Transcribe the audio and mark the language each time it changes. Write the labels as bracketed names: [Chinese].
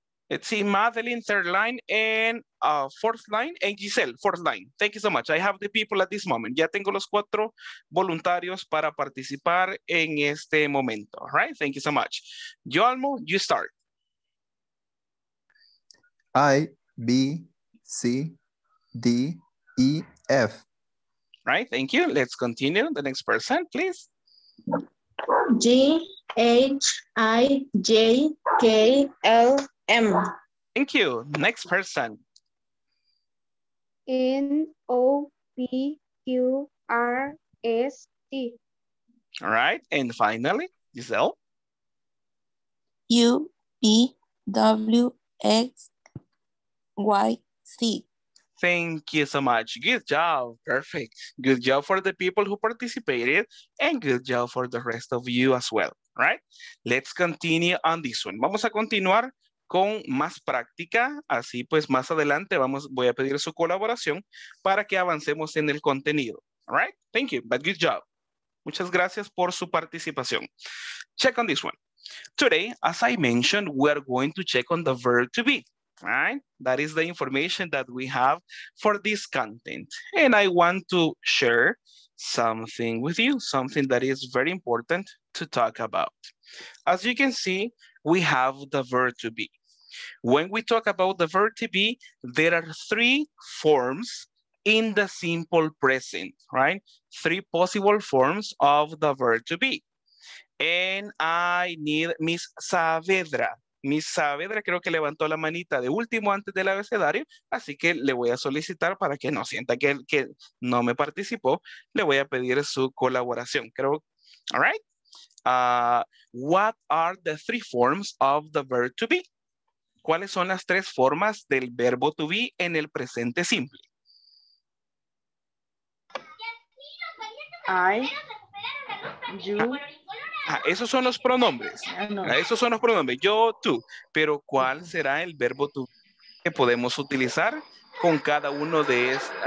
[English] Let's see, Madeline, third line, and fourth line, and Giselle, fourth line. Thank you so much. I have the people at this moment. [Spanish] Ya tengo los cuatro voluntarios para participar en este momento. [English] All right, thank you so much. Yoalmo, you start. I, B, C, D, E, F. All right, thank you. Let's continue. The next person, please. G, H, I, J, K, L, M. Thank you. Next person. N O P Q R S T. All right. And finally, Giselle. U P W X Y C. Thank you so much. Good job. Perfect. Good job for the people who participated and good job for the rest of you as well. All right. Let's continue on this one. [Spanish] Vamos a continuar con más práctica, así pues más adelante voy a pedir su colaboración para que avancemos en el contenido. [English] All right, thank you, but good job. [Spanish] Muchas gracias por su participación. [English] Check on this one. Today, as I mentioned, we are going to check on the verb to be. Right, that is the information that we have for this content. And I want to share something with you, something that is very important to talk about. As you can see, we have the verb to be. When we talk about the verb to be, there are three forms in the simple present, right? Three possible forms of the verb to be. And I need Miss Saavedra. [Spanish] Miss Saavedra creo que levantó la manita de último antes del abecedario, así que le voy a solicitar para que no sienta que no me participó, le voy a pedir su colaboración. [English] Creo, all right? What are the three forms of the verb to be? [Spanish] ¿Cuáles son las tres formas del verbo to be en el presente simple? [English] I, you. [Spanish] Esos son los pronombres. Esos son los pronombres. Yo, tú. Pero ¿cuál será el verbo to be que podemos utilizar con cada uno de estos?